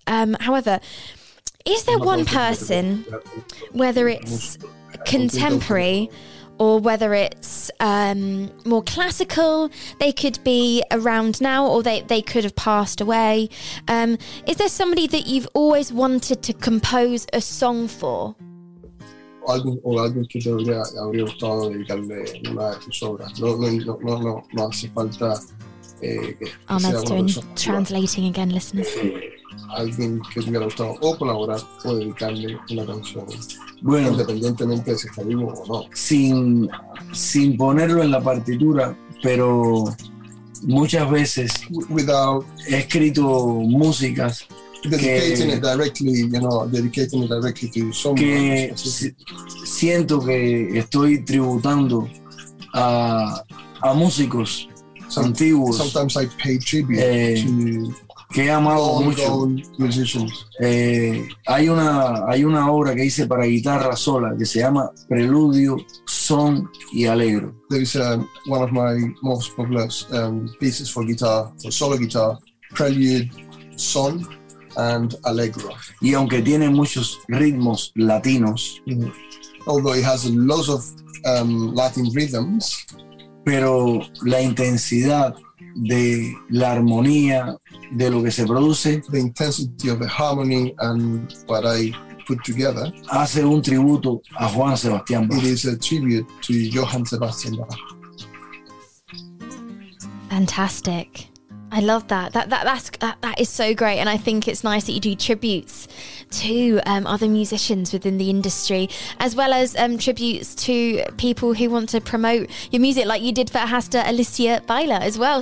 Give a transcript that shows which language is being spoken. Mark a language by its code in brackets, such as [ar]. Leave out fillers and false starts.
[en] However, is there one person, whether it's contemporary or whether it's more classical, they could be around now, or they could have passed away. Is there somebody that you've always wanted to compose a song for? [es] Alguien, o alguien que te habría gustado dedicarle una de tus obras. No hace falta [en] translating again, listeners. [es] Alguien que te hubiera gustado o colaborar o dedicarle una canción. Bueno, independientemente de si está vivo o no. Sin ponerlo en la partitura, pero muchas veces he escrito músicas. [en] Dedicating it directly to someone. [es] Siento que estoy tributando a músicos antiguos. [en] Sometimes I pay tribute to [es] que he amado [en] old, [es] mucho. [en] Old musicians. [es] Hay una obra que hice para guitarra sola que se llama Preludio, Son y Allegro. [en] There is one of my most popular pieces for guitar, for solo guitar, Prelude, Son and Allegro. [es] Y aunque tiene muchos ritmos latinos, [en] although it has lots of Latin rhythms, [es] pero la intensidad de la armonía de lo que se produce, [en] the intensity of the harmony and what I put together, [es] hace un tributo a Juan Sebastián Bach. [en] It is a tribute to Johann Sebastian Bach. Fantastic. I love that. That is so great, and I think it's nice that you do tributes to other musicians within the industry, as well as tributes to people who want to promote your music, like you did for Hasta Alicia Baila as well.